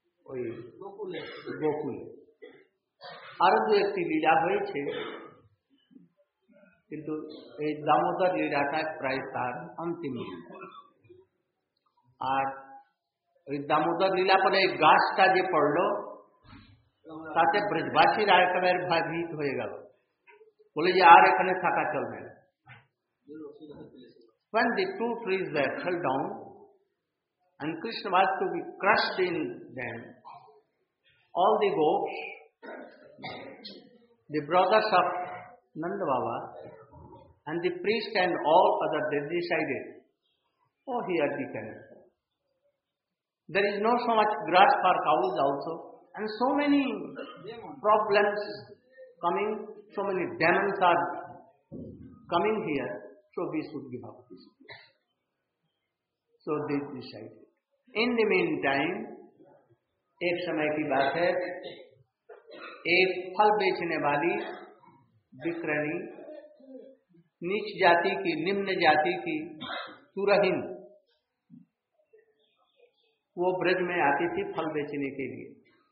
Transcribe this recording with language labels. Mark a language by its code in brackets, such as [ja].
[bn] ওই গোকুলে আরো দু একটি লীলা হয়েছে, কিন্তু এই দামোদর লীলাটা প্রায় তার অন্তিম লীলা। আর ওই দামোদর লীলা পরে এই গাছটা যে পড়ল তাতে ব্রজবাসী রায়কালের ভয়ভীত হয়ে গেল, বলে যে আর এখানে থাকা চলবে না। [en] When the two trees were fell down and Krishna was to be crushed in them, all the gopis, the brothers of Nanda Baba and the priest and all other, they decided, oh, here we can. There is no so much grass for cows also, and so many problems coming, so many demons are coming here. So we should give up this. So they decided. In the meantime, [hi] एक समय की बात है, एक फल बेचने वाली बिक्रणी नीच जाति की, निम्न जाति की तुरहिन, वो ब्रज में आती थी फल बेचने के लिए।